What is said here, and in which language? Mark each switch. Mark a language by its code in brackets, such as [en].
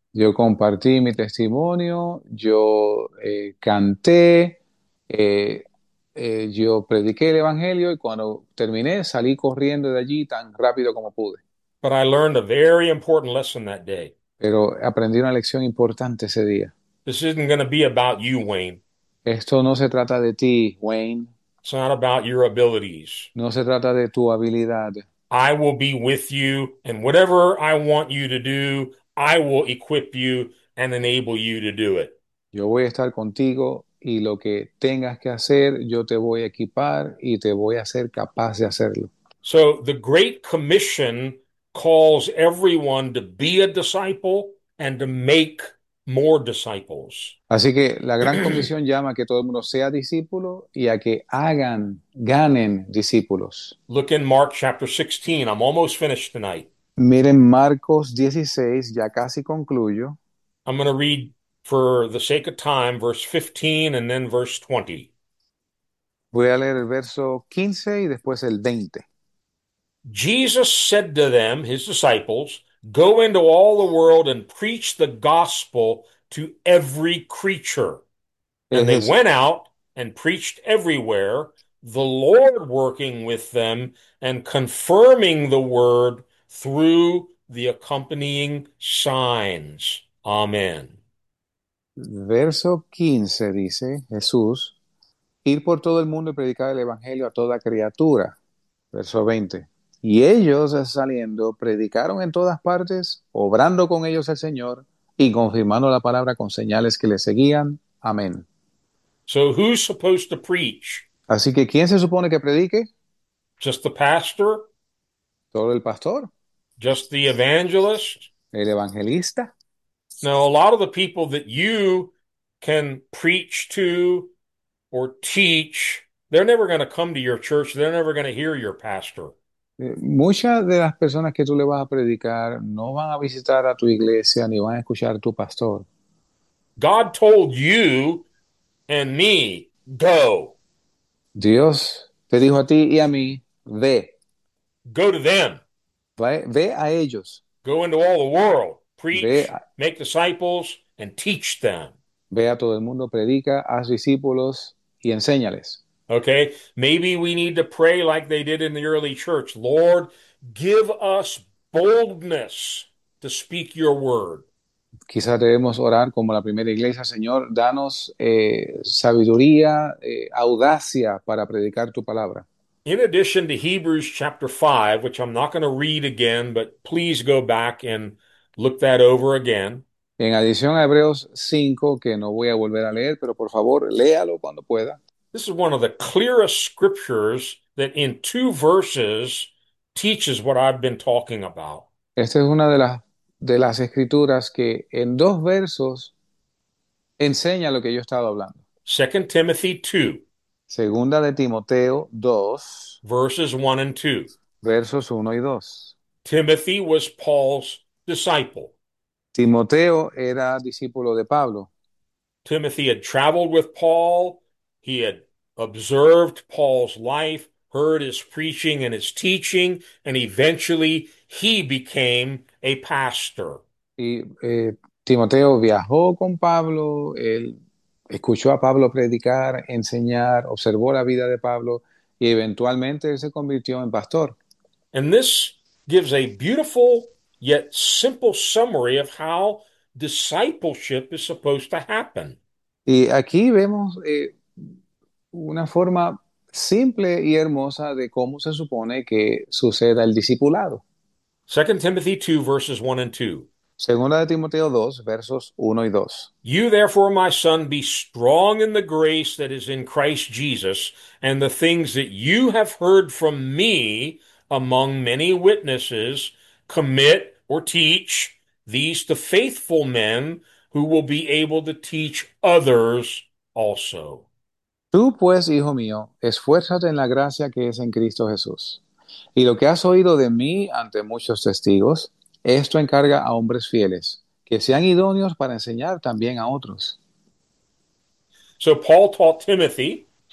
[es] Yo compartí mi testimonio, yo canté, yo prediqué el evangelio y cuando terminé salí corriendo de allí tan rápido como pude. [en] But I learned a very important lesson that day. [es] Pero aprendí una lección importante ese día. [en] This isn't going to be about you, Wayne. [es] Esto no se trata de ti, Wayne. [en] It's not about your abilities. [es] No se trata de tu habilidad. [en] I will be with you, and whatever I want you to do, I will equip you and enable you to do it. [es] Yo voy a estar contigo y lo que tengas que hacer, yo te voy a equipar y te voy a hacer capaz de hacerlo. [en] So the Great Commission calls everyone to be a disciple and to make more disciples. [es] Así que la Gran Comisión llama a que todo el mundo sea discípulo y a que hagan, ganen discípulos. [en] Look in Mark chapter 16. I'm almost finished tonight. [es] Miren Marcos 16, ya casi concluyo. [en] I'm going to read for the sake of time verse 15 and then verse 20. [es] Voy a leer el verso 15 y después el 20. [en] Jesus said to them, his disciples, go into all the world and preach the gospel to every creature. And they went out and preached everywhere, the Lord working with them and confirming the word through the accompanying signs. Amen. [es] Verso 15 dice Jesús, ir por todo el mundo y predicar el evangelio a toda criatura. Verso 20. Y ellos saliendo predicaron en todas partes, obrando con ellos el Señor y confirmando la palabra con señales que le seguían. Amén. [en] So who's supposed to preach? [es] Así que, ¿quién se supone que predique? [en] Just the pastor? [es] ¿Todo el pastor? [en] Just the evangelist? [es] ¿El evangelista? [en] Now, a lot of the people that you can preach to or teach, they're never going to come to your church. They're never going to hear your pastor. [es] Muchas de las personas que tú le vas a predicar no van a visitar a tu iglesia ni van a escuchar a tu pastor. [en] God told you and me, go. [es] Dios te dijo a ti y a mí, ve. [en] Go to them. [es] Ve a ellos. [en] Go into all the world. Preach, make disciples, and teach them. [es] Ve a todo el mundo, predica, haz discípulos y enséñales. [en] Okay, maybe we need to pray like they did in the early church. Lord, give us boldness to speak your word. [es] Quizás debemos orar como la primera iglesia, Señor, danos sabiduría, audacia para predicar tu palabra. [en] In addition to Hebrews chapter 5, which I'm not going to read again, but please go back and look that over again. [es] En adición a Hebreos 5, que no voy a volver a leer, pero por favor, léalo cuando pueda. [en] This is one of the clearest scriptures that in two verses teaches what I've been talking about. [es] Esta es una de las escrituras que en dos versos enseña lo que yo estaba hablando. [en] 2 Timothy 2. [es] Segunda de Timoteo 2, [en] Verses 1 and 2. [es] versos 1 y 2. [en] Timothy was Paul's disciple. [es] Timoteo era discípulo de Pablo. [en] Timothy had traveled with Paul. He had observed Paul's life, heard his preaching and his teaching, and eventually he became a pastor. [es] Y Timoteo viajó con Pablo, él escuchó a Pablo predicar, enseñar, observó la vida de Pablo y eventualmente él se convirtió en pastor. [en] And this gives a beautiful yet simple summary of how discipleship is supposed to happen. [es] Y aquí vemos una forma simple y hermosa de cómo se supone que suceda el discipulado. [en] 2 Timothy 2, verses 1 and 2. [es] Segunda de Timoteo 2, versos 1 y 2. [en] You therefore, my son, be strong in the grace that is in Christ Jesus, and the things that you have heard from me among many witnesses, commit or teach these to faithful men who will be able to teach others also. [es] Tú, pues, hijo mío, esfuérzate en la gracia que es en Cristo Jesús. Y lo que has oído de mí ante muchos testigos, esto encarga a hombres fieles, que sean idóneos para enseñar también a otros. [en] So Paul taught Timothy.